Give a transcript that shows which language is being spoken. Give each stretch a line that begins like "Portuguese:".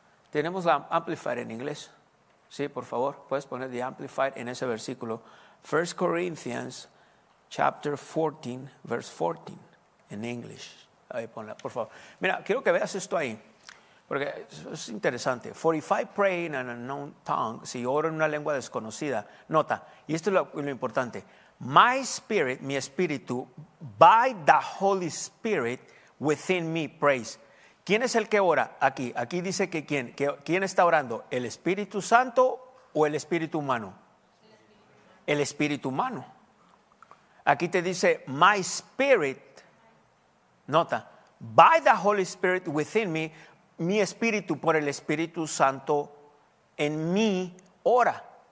Spanish: Tenemos la Amplified en inglés. Sí, por favor, puedes poner
English: the Amplified
Spanish: en ese versículo. 1 Corinthians
English: Chapter 14, verse 14, in English.
Spanish: Ahí ponla, por favor. Mira, quiero que veas esto ahí, porque es interesante.
English: For if I pray in an unknown tongue,
Spanish: si oro en una lengua desconocida, nota, y esto es lo importante.
English: My spirit,
Spanish: mi espíritu,
English: by the Holy Spirit within me prays.
Spanish: ¿Quién es el que ora aquí? Aquí dice que quién. Que, ¿quién está orando? ¿El Espíritu Santo o el Espíritu Humano? El Espíritu Humano. Aquí te dice,
English: my spirit,
Spanish: nota,
English: by the Holy Spirit within me,
Spanish: mi espíritu por el Espíritu Santo en mí ora.